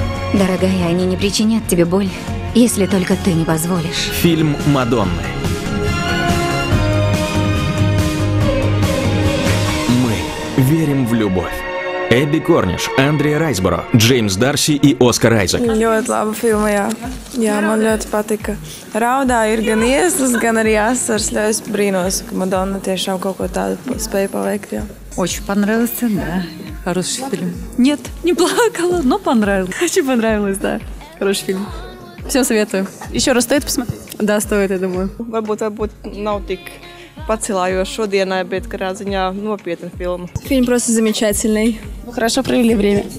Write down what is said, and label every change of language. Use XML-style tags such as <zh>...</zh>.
<ru>Дорогая, они не причинят тебе боль, если только ты не позволишь. Фильм «Мадонны». Мы верим в любовь. Эбби Корниш, Андрея Райсборо, Джеймс Дарси и Оскар Айзек.</ru> <lv>Ļoti laba filma, jā. Jā, man ļoti patika. Raudā ir gan ieslas, gan arī asars. Ļoti brīnos, ka Madonna tiešām kaut ko tādu spēja paveikt, jā.</lv> <ru>Очень понравился, да. Хороший фильм. Нет, не плакала, но понравилось. Очень понравилось, да. Хороший фильм. Всем советую. Еще раз стоит посмотреть? Да, стоит, я думаю.</ru> <lv>Varbūt varbūt nav tik pacilājoši šodienai, bet kādā ziņā nopietna filma.</lv> <ru>Фильм просто замечательный. Вы хорошо провели время.</ru>